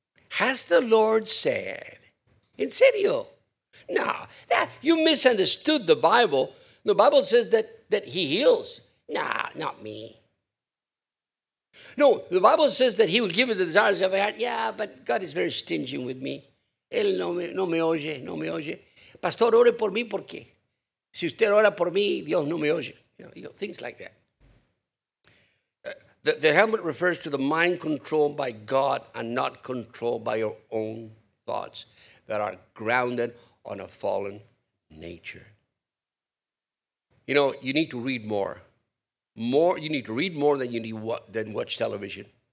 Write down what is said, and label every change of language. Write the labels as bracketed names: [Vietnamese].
[English] Has the Lord said, [Spanish] in serio? [English] No. You misunderstood the Bible. The Bible says that he heals. Nah, not me. No, the Bible says that he will give you the desires of your heart. Yeah, but God is very stingy with me. [Spanish] Él no me oye. Pastor, ore por mí, porque si usted ora por mí, Dios no me oye. [English] Things like that. The helmet refers to the mind controlled by God and not controlled by your own thoughts that are grounded on a fallen nature. You know, you need to read more. You need to read more than you need than watch television.